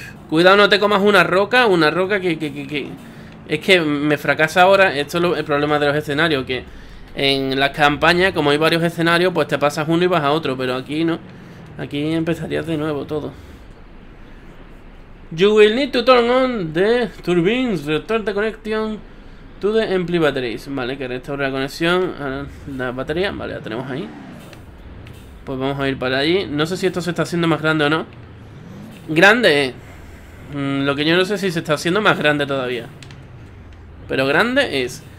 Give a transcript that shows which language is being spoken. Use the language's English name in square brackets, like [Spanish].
[Spanish] Cuidado, no te comas una roca. Una roca que. Es que me fracasa ahora. Esto es el problema de los escenarios. Que en las campañas, como hay varios escenarios, pues te pasas uno y vas a otro. Pero aquí no. Aquí empezarías de nuevo todo. [English] You will need to turn on the turbines. Restore the connection to the empty batteries. [Spanish] Vale, que restaure la conexión a la batería. Vale, la tenemos ahí. Pues vamos a ir para allí. No sé si esto se está haciendo más grande o no. Grande. Lo que yo no sé es si se está haciendo más grande todavía. Pero grande es.